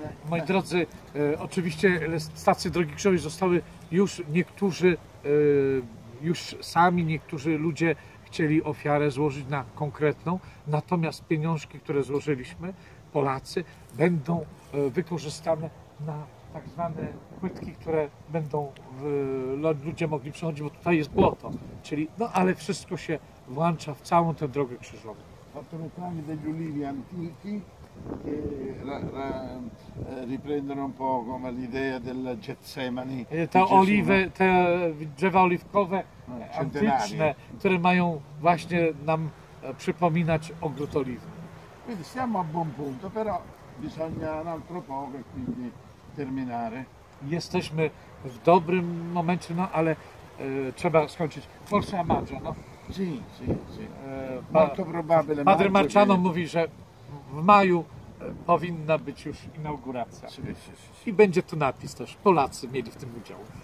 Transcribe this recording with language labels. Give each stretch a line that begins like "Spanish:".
Polish: Moi drodzy, oczywiście stacje drogi krzyżowej zostały już niektórzy, już sami niektórzy ludzie chcieli ofiarę złożyć na konkretną, natomiast pieniążki, które złożyliśmy, Polacy, będą wykorzystane na tak zwane płytki, które będą ludzie mogli przechodzić, bo tutaj jest błoto, czyli no ale wszystko się włącza w całą tę drogę krzyżową.
Italian: Patronami degli ulivi antichi. Che riprendono un po' come l'idea del Getsemani.
Polish: Te olive, te drzewa oliwkowe antyczne, które mają właśnie nam przypominać ogród oliwy.
Italian: Quindi siamo a buon punto, però bisogna un altro poco e quindi terminare.
Polish: Jesteśmy w dobrym momencie, no ale trzeba skończyć.
Italian: Forse a maggio, no? Sì. Molto probabile.
Polish: Padre Marciano mówi, że w maju powinna być już inauguracja. I będzie tu napis też. Polacy mieli w tym udział.